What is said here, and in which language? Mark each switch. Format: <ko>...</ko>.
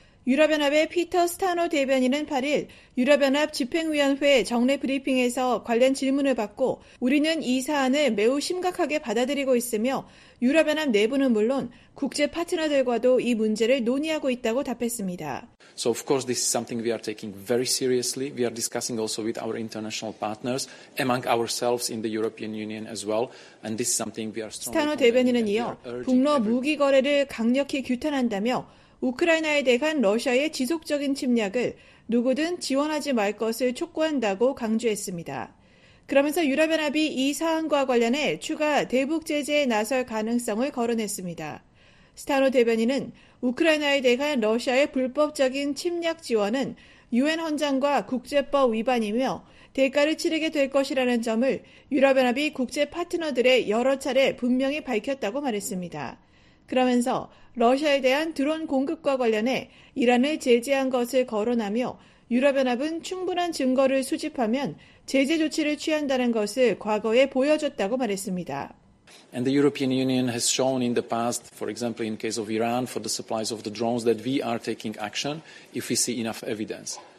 <ko>유럽연합의 피터 스타노 대변인은 8일 유럽연합 집행위원회 정례 브리핑에서 관련 질문을 받고 우리는 이 사안을 매우 심각하게 받아들이고 있으며 유럽연합 내부는 물론 국제 파트너들과도 이 문제를 논의하고 있다고 답했습니다.</ko> <en>So of course this is something we are taking very seriously. We are discussing also with our international partners among ourselves in the European Union as well. And this is something we are strongly</en> <ko>스타노 대변인은 이어 북러 무기 거래를 강력히 규탄한다며 우크라이나에 대한 러시아의 지속적인 침략을 누구든 지원하지 말 것을 촉구한다고 강조했습니다. 그러면서 유럽연합이 이 사안과 관련해 추가 대북 제재에 나설 가능성을 거론했습니다. 스타노 대변인은 우크라이나에 대한 러시아의 불법적인 침략 지원은 유엔 헌장과 국제법 위반이며 대가를 치르게 될 것이라는 점을 유럽연합이 국제 파트너들의 여러 차례 분명히 밝혔다고 말했습니다. 그러면서 러시아에 대한 드론 공급과 관련해 이란을 제재한 것을 거론하며 유럽연합은 충분한 증거를 수집하면 제재 조치를 취한다는 것을 과거에 보여줬다고 말했습니다.</ko> <en>And the European Union has shown in the past, for example, in case of Iran, for the supplies of the drones, that we are taking action if we see enough evidence.</en>